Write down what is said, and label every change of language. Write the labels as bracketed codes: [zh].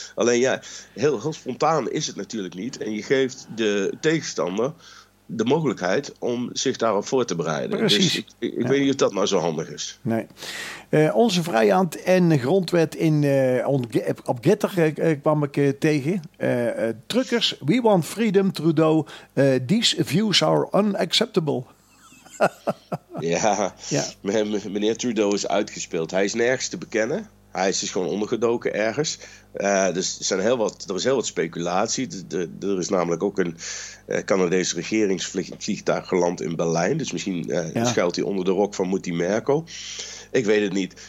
[nl] Alleen ja, heel, heel spontaan is het natuurlijk niet. En je geeft de tegenstander de mogelijkheid om zich daarop voor te bereiden. Precies. Dus ik weet niet of dat nou zo handig is. Nee. Onze vrijhand en grondwet op Getter kwam ik tegen. [en] Truckers, we want freedom, Trudeau. These views are unacceptable. [nl] Ja. Meneer Trudeau is uitgespeeld. Hij is nergens te bekennen. Hij is dus gewoon ondergedoken ergens. Er is heel wat speculatie. Er is namelijk ook een Canadese regeringsvliegtuig geland in Berlijn. Dus misschien schuilt hij onder de rok van Mutti Merkel. Ik weet het niet.